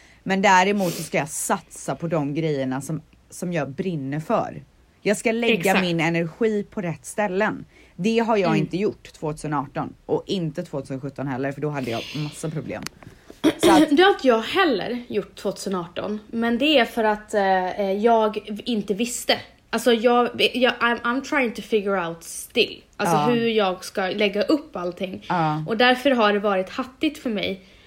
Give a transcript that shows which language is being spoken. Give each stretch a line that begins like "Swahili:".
Swedish: Men däremot så ska jag satsa på de grejerna som jag brinner för. Jag ska lägga min energi på rätt ställen. Det har jag inte gjort 2018 och inte 2017 heller, för då hade jag massa problem. Det har inte jag heller gjort 2018. Men det är för att jag inte visste.
English: Alltså I'm trying to figure out still.
Swedish: Alltså hur jag ska lägga upp allting. Och därför har det varit hattigt för mig.